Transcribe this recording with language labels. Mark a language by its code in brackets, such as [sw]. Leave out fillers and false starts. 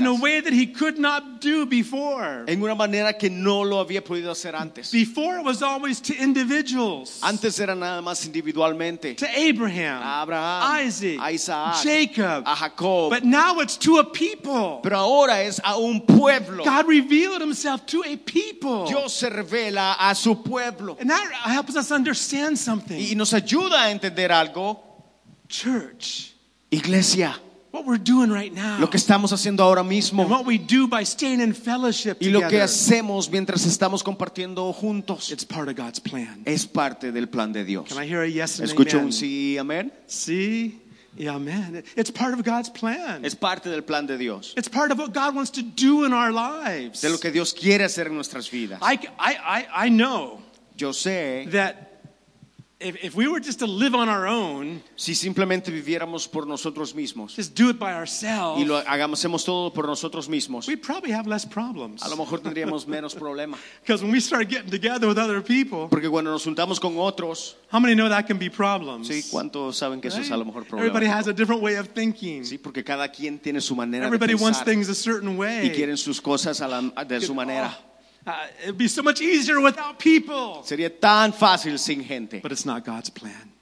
[en] in a way that he could not do before. [es] En una manera que no lo había podido hacer antes. [en] Before it was always to individuals. [es] Antes era nada más individualmente. [en] To Abraham, [es] a Abraham, [en] Isaac, [es] a Isaac, [en] Jacob, [es] a Jacob. [en] But now it's to a people. [es] Pero ahora es a un pueblo. [en] God revealed himself to a people. [es] Dios se revela a su pueblo. [en] And that helps us understand something. [es] Y nos ayuda a entender algo. [en] Church, [es] iglesia, [en] what we're doing right now, [es] lo que estamos haciendo ahora mismo, [en] and what we do by staying in fellowship together, [es] y lo que hacemos mientras estamos compartiendo juntos, [en] it's part of God's plan. [es] Es parte del plan de Dios. [en] Can I hear a yes and [es] escucho amen? Un sí y amén. [en] Sí. Yeah, amen. It's part of God's plan. [es] Es parte del plan de Dios. [en] It's part of what God wants to do in our lives. [es] De lo que Dios quiere hacer en nuestras vidas. [en] I know. [es] Yo sé [en] that if we were just to live on our own, [es] si simplemente viviéramos por nosotros mismos, [en] just do it by ourselves, [es] y lo hagamos todo por nosotros mismos, [en] we probably have less problems. [es] A lo mejor tendríamos menos problemas. [en] Because when we start getting together with other people, [es] porque cuando nos juntamos con otros, [en] how many know that can be problems? [es] Sí, ¿cuántos saben que eso es a lo mejor problema? [en] Everybody has a different way of thinking. [es] Sí, porque cada quien tiene su manera. [en] Everybody [es] de pensar. [en] Wants things a certain way. [es] Y quieren sus cosas a la, de su manera. [en] Oh. It'd be so much easier without people. [es] Sería tan fácil sin gente. [en] But it's not God's plan.